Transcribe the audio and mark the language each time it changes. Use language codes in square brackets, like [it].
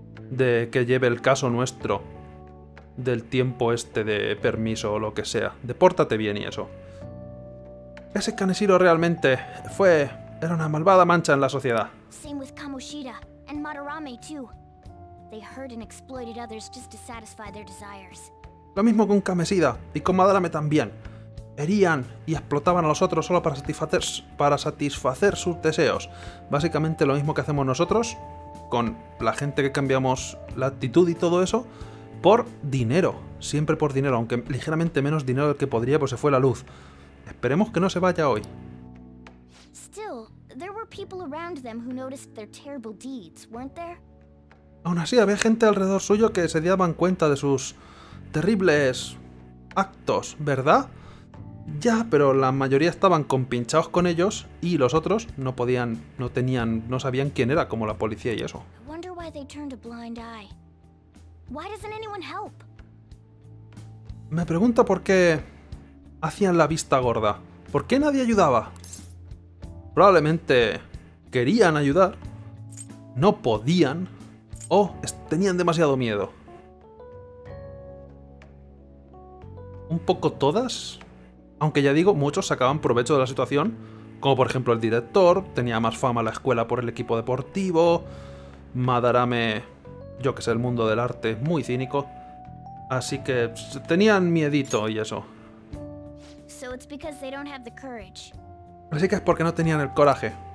[es] de que lleve el caso nuestro del tiempo este de permiso o lo que sea. Depórtate bien y eso. Ese Kaneshiro realmente fue... era una malvada mancha en la sociedad. [en] Same with Kamoshida and Madarame too. They hurt and exploited others just to satisfy their desires. [es] Lo mismo con Kameshida y con Madarame también. Herían y explotaban a los otros solo para satisfacer sus deseos. Básicamente lo mismo que hacemos nosotros con la gente que cambiamos la actitud y todo eso por dinero. Siempre por dinero, aunque ligeramente menos dinero del que podría, pues se fue la luz. Esperemos que no se vaya hoy. [en] Still, there were people around them who noticed their terrible deeds, weren't there? [es] Aún así, había gente alrededor suyo que se daban cuenta de sus terribles actos, ¿verdad? Ya, pero la mayoría estaban compinchados con ellos y los otros no podían, no tenían, no sabían quién era, como la policía y eso. [en] I wonder why they turned a blind eye. Why doesn't anyone help? [es] Me pregunto por qué hacían la vista gorda. ¿Por qué nadie ayudaba? Probablemente querían ayudar, no podían, o tenían demasiado miedo. Un poco todas, aunque ya digo, muchos sacaban provecho de la situación, como por ejemplo el director, tenía más fama en la escuela por el equipo deportivo, Madarame, yo que sé, el mundo del arte, muy cínico, así que tenían miedito y eso. [en] So it's because they don't have the courage. [es] Así que es porque no tenían el coraje.